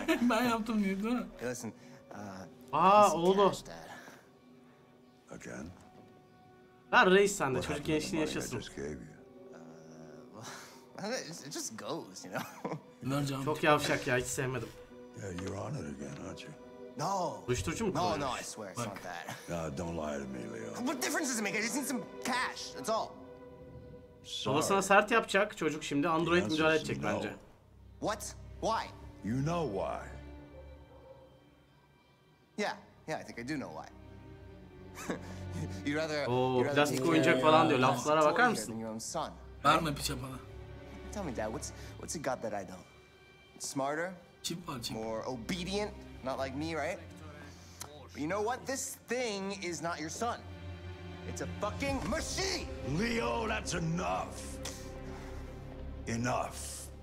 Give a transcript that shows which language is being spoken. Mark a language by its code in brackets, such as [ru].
[tr] Ben yaptım diye değil mi? [en] Listen, [tr] aa oğlu. [en] Again? [tr] Ver reis sen de çocuk gençliğini yaşasın. [en] It just goes, you know? [tr] Canım. Çok yavşak ya, hiç sevmedim. [en] Yeah, you're on it again, aren't you? No. [tr] Uyuşturucu mu kullanıyorsun? [en] No, I swear, it's not that. No, don't lie to me, Leo. What difference does it make? I just need some cash, that's all. [tr] Baba sana sert yapacak, çocuk şimdi Android müdahale edecek bence. [en] What? Why? You know why. Yeah, I think I do know why. You'd rather... [tr] Oo, plastik oyuncak falan diyor, laflara bakar mısın? Verme piçe bana. [en] Tell me, Dad, what's it got that I don't? Smarter? [tr] Çip var, çip. [en] More obedient? Not like me, right? But you know what? This thing is not your son. It's a fucking machine! Leo, that's enough. Enough.